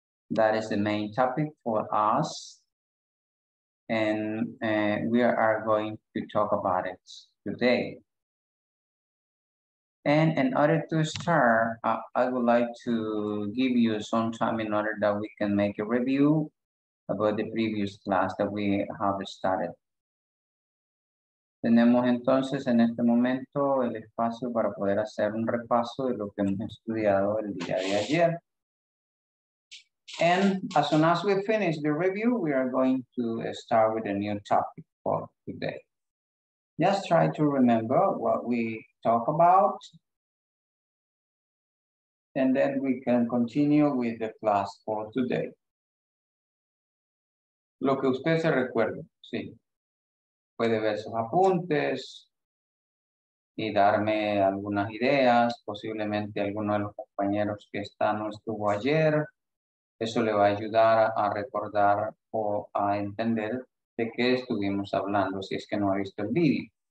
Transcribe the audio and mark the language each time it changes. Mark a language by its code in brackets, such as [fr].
[en] That is the main topic for us. And we are going to talk about it today. And in order to start, I would like to give you some time in order that we can make a review about the previous class that we have started. [es] Tenemos entonces en este momento el espacio para poder hacer un repaso de lo que hemos estudiado el día de ayer. [en] And as soon as we finish the review, we are going to start with a new topic for today. Just try to remember what we talk about. And then we can continue with the class for today. [es] Lo que usted se recuerda, sí. Puede ver sus apuntes y darme algunas ideas. Posiblemente alguno de los compañeros que está no estuvo ayer. Eso le va a ayudar a recordar o a entender de qué estuvimos hablando si es que no ha visto el vídeo.